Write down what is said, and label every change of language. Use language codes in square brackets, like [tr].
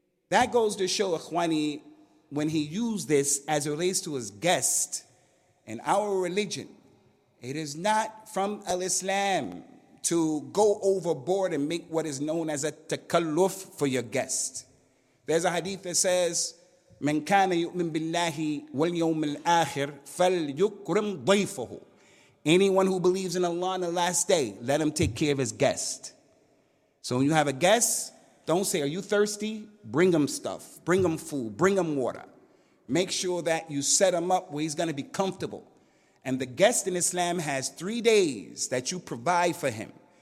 [en] That goes to show, Ikhwani, when he used this as it relates to his guest and our religion, it is not from al-Islam to go overboard and make what is known as a takalluf for your guest. There's a hadith that says, [ar] من كان يؤمن بالله واليوم الآخر فليكرم ضيفه. [en] Anyone who believes in Allah on the last day, let him take care of his guest. So when you have a guest, don't say, are you thirsty? Bring him stuff. Bring him food. Bring him water. Make sure that you set him up where he's going to be comfortable. And the guest in Islam has 3 days that you provide for him.